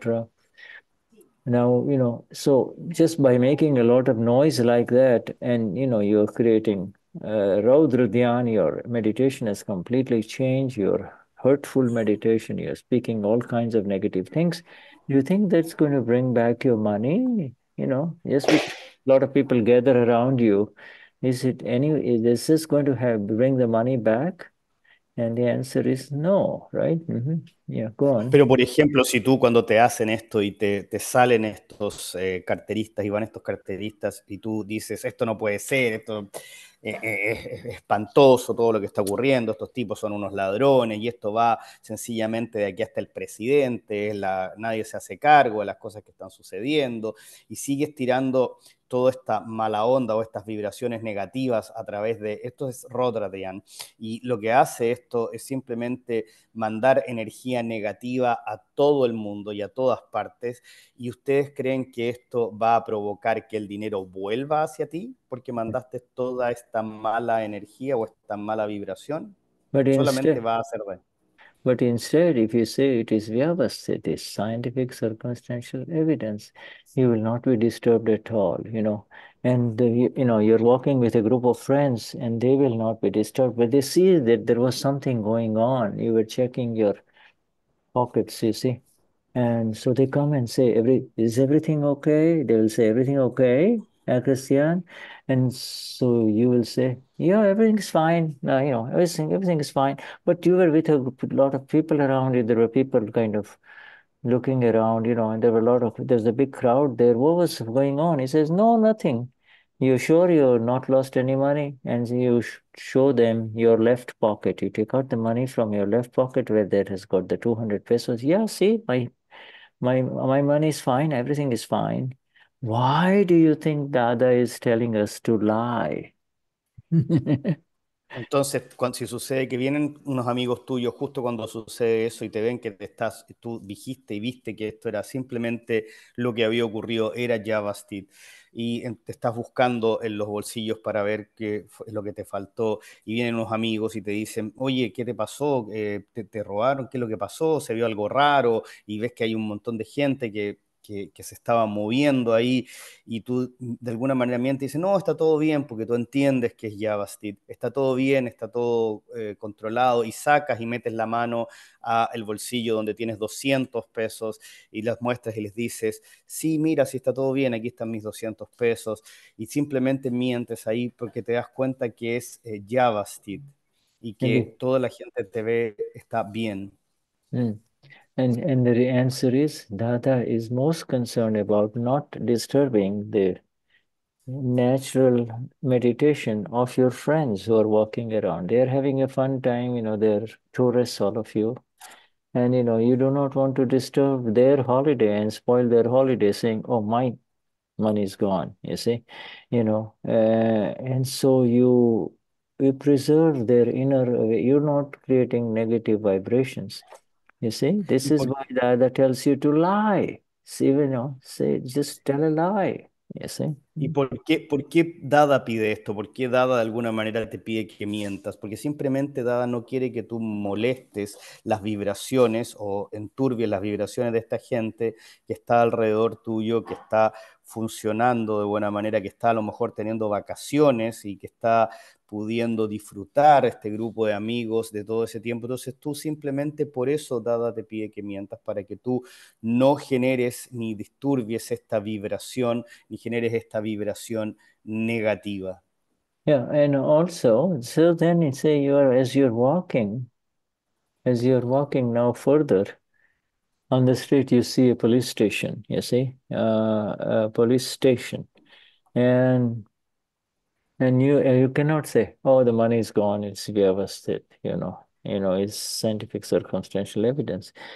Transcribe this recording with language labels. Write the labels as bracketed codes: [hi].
[en] Now, you know, so just by making a lot of noise like that, and, you know, you're creating Raudra Dhyan, your meditation has completely changed, your hurtful meditation, you're speaking all kinds of negative things. Do you think that's going to bring back your money? You know, just a lot of people gather around you. Is this going to bring the money back? And the answer is no, right? Yeah, go on. [es] Pero por ejemplo, si tú cuando te hacen esto y te salen estos carteristas y van estos carteristas y tú dices, esto no puede ser, esto es espantoso todo lo que está ocurriendo, estos tipos son unos ladrones y esto va sencillamente de aquí hasta el presidente, nadie se hace cargo de las cosas que están sucediendo y sigues tirando toda esta mala onda o estas vibraciones negativas a través de, esto es Rodradian, y lo que hace esto es simplemente mandar energía negativa a todo el mundo y a todas partes, y ustedes creen que esto va a provocar que el dinero vuelva hacia ti, porque mandaste toda esta mala energía o esta mala vibración, [en] but [es] solamente va a hacer daño. [en] But instead, if you say it is vyavasthita, scientific circumstantial evidence, you will not be disturbed at all, you know. And, you know, you're walking with a group of friends and they will not be disturbed. But they see that there was something going on. You were checking your pockets, you see. And so they come and say, is everything okay? They will say, everything okay, Christian? And so you will say, yeah, everything's fine. You know, everything is fine. But you were with a lot of people around you. There were people kind of looking around, you know, and there were there's a big crowd there. What was going on? He says, no, nothing. You're sure you're not lost any money? And you show them your left pocket. You take out the money from your left pocket where that has got the 200 pesos. Yeah, see, my money's fine. Everything is fine. Why do you think Dada is telling us to lie? [es] Entonces, si sucede que vienen unos amigos tuyos justo cuando sucede eso y te ven que tú dijiste y viste que esto era simplemente lo que había ocurrido, era Yavastit, y te estás buscando en los bolsillos para ver qué fue lo que te faltó, y vienen unos amigos y te dicen, oye, ¿qué te pasó? ¿Te robaron? ¿Qué es lo que pasó? ¿Se vio algo raro? Y ves que hay un montón de gente que se estaba moviendo ahí, y tú de alguna manera miente y dices, no, está todo bien, porque tú entiendes que es Yavastit, está todo bien, está todo controlado, y sacas y metes la mano al bolsillo donde tienes 200 pesos, y las muestras y les dices, sí, mira, sí está todo bien, aquí están mis 200 pesos, y simplemente mientes ahí porque te das cuenta que es Yavastit, y que toda la gente te ve, está bien. [en] And the answer is, Dada is most concerned about not disturbing the natural meditation of your friends who are walking around. They are having a fun time, you know, they're tourists, all of you. And, you know, you do not want to disturb their holiday and spoil their holiday saying, oh, my money is gone, you see. You know, and so you preserve their inner, you're not creating negative vibrations. You see, this is why Dada tells you to lie. See, you know, say, just tell a lie. You see? [es] ¿Y por qué Dada pide esto? ¿Por qué Dada de alguna manera te pide que mientas? Porque simplemente Dada no quiere que tú molestes las vibraciones o enturbies las vibraciones de esta gente que está alrededor tuyo, que está funcionando de buena manera, que está a lo mejor teniendo vacaciones y que está pudiendo disfrutar este grupo de amigos de todo ese tiempo. Entonces tú simplemente por eso Dada te pide que mientas, para que tú no generes ni disturbies esta vibración, ni generes esta vibración negativa. [en] Yeah, and also, so then you say as you're walking now further, on the street you see a police station, you see, a police station. And And you cannot say, oh, the money is gone, it's devastated, it's scientific circumstantial evidence.